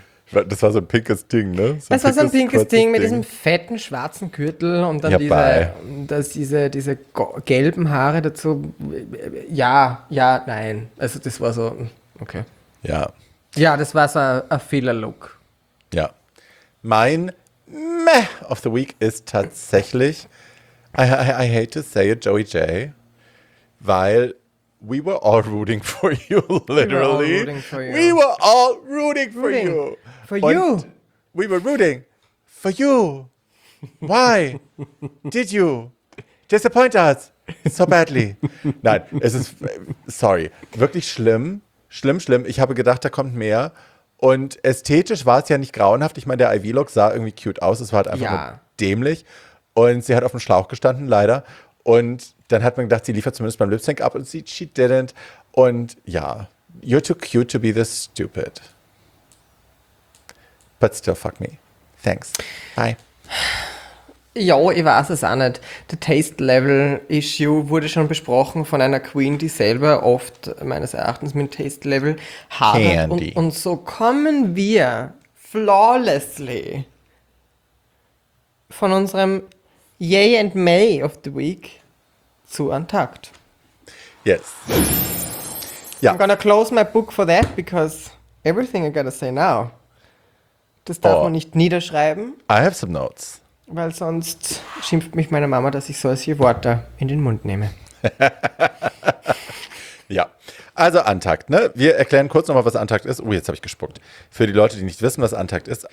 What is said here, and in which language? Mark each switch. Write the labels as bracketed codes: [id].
[de] Das war so ein pinkes Ding, ne? Das war so ein pinkes Ding mit diesem fetten schwarzen Gürtel und dann diese gelben Haare dazu. Ja, nein. Also das war so, okay. Ja. Ja, das war so ein Fehler-Look. Ja. [en] Mein Meh of the Week ist tatsächlich, I hate to say it, Joey J, weil we were all rooting for you, literally. We were all rooting for you. For you. We were rooting for you. Why did you disappoint us so badly? [de] Nein, es ist, sorry, wirklich schlimm. Schlimm, schlimm. Ich habe gedacht, da kommt mehr. Und ästhetisch war es ja nicht grauenhaft. Ich meine, der Ivy-Look sah irgendwie cute aus. Es war halt einfach dämlich. Und sie hat auf dem Schlauch gestanden, leider. Und dann hat man gedacht, sie liefert zumindest beim Lip-Sync ab. Und she didn't. [en] Und ja, you're too cute to be this stupid. But still, fuck me. Thanks. Bye. [de] Ja, ich weiß es auch nicht. The Taste Level Issue wurde schon besprochen von einer Queen, die selber oft meines Erachtens mit Taste Level hadert. Und so kommen wir flawlessly von unserem Yay and May of the Week zu Untucked. [en] Yes. Yeah. I'm gonna close my book for that because everything I gotta say now. [de] Das darf man nicht niederschreiben. [en] I have some notes. [de] Weil sonst schimpft mich meine Mama, dass ich solche Worte in den Mund nehme. Ja, also Untucked, ne? Wir erklären kurz nochmal, was Untucked ist. Oh, jetzt habe ich gespuckt. Für die Leute, die nicht wissen, was Untucked ist.